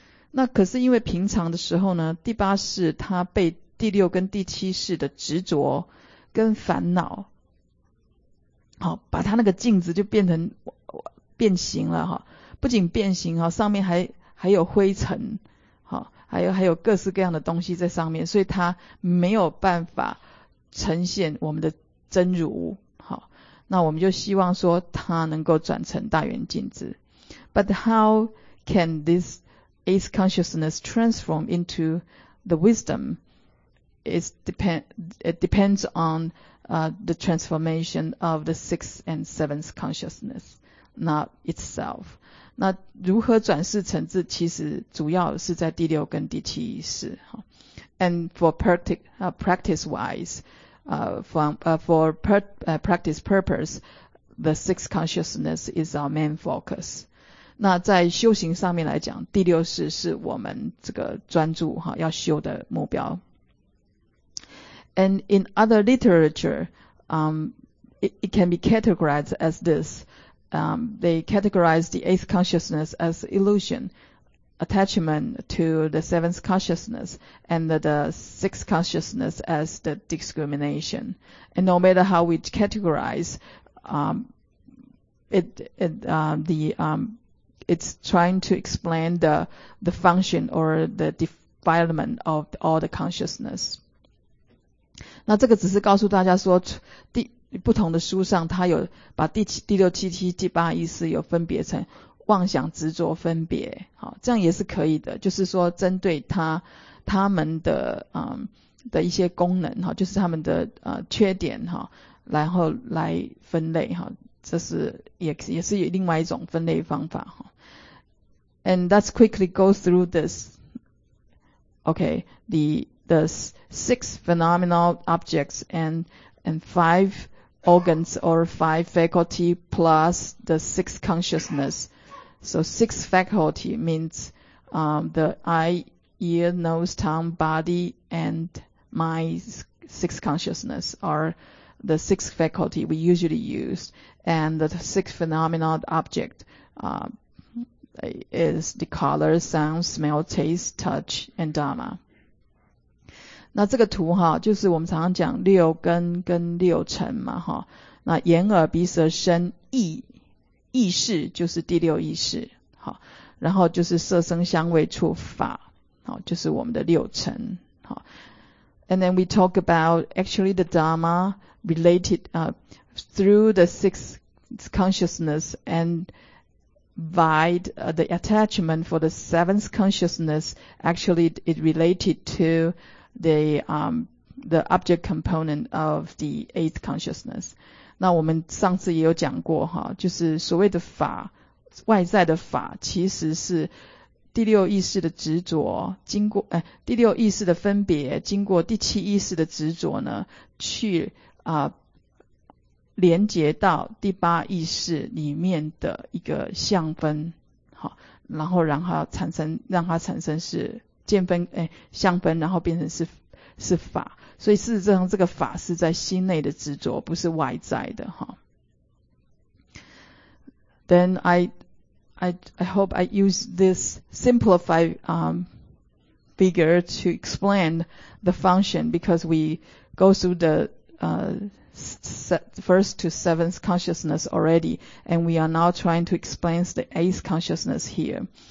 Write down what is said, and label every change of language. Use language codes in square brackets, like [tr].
[zh] 那可是因为平常的时候呢，第八识它被第六跟第七识的执着跟烦恼，好，把它那个镜子就变成变形了哈，不仅变形哈，上面还有灰尘，好，还有各式各样的东西在上面，所以它没有办法呈现我们的真如，好，那我们就希望说它能够转成大圆镜子。 [en] But how can this its consciousness transform into the wisdom? It depends on the transformation of the sixth and seventh consciousness, not itself. [zh] 那如何转世成智，其实主要是在第六跟第七识。 [en] And for practice purpose, the sixth consciousness is our main focus. [zh] 那在修行上面来讲，第六识是我们这个专注哈要修的目标。 [en] And in other literature, it can be categorized as this. They categorize the eighth consciousness as illusion, attachment to the seventh consciousness, and the sixth consciousness as the discrimination. And no matter how we categorize, It's trying to explain the function or the defilement of all the consciousness. [zh] 那这个只是告诉大家说，不同的书上它有把第六、第七、第八意识有分别成妄想、执着、分别，好，这样也是可以的。就是说，针对他们的的一些功能哈，就是他们的缺点哈，然后来分类哈，这是也是另外一种分类方法哈。 [en] And let's quickly go through this. Okay, the six phenomenal objects and five organs or five faculty plus the six consciousness. So six faculty means, the eye, ear, nose, tongue, body, and my six consciousness are the six faculty we usually use. And the six phenomenal object, is the color, sound, smell, taste, touch, and Dharma. [zh] 那这个图哈，就是我们常常讲六根跟六尘嘛哈。那眼耳鼻舌身意识就是第六意识，好，然后就是色声香味触法，好，就是我们的六尘，好。 [en] And then we talk about actually the Dharma related through the six consciousness and. The attachment for the seventh consciousness, actually it related to the object component of the eighth consciousness. [zh] 那我们上次也有讲过哈，就是所谓的法，外在的法其实是第六意识的执着经过、第六意识的分别经过第七意识的执着呢，去连接到第八意识里面的一个相分，好，然后让它产生，让它产生是见分，相分，然后变成是法。所以事实上这个法是在心内的执着，不是外在的哈。 [en] Then I hope I use this simplified figure to explain the function, because we go through the first to seventh consciousness already, and we are now trying to explain the eighth consciousness here.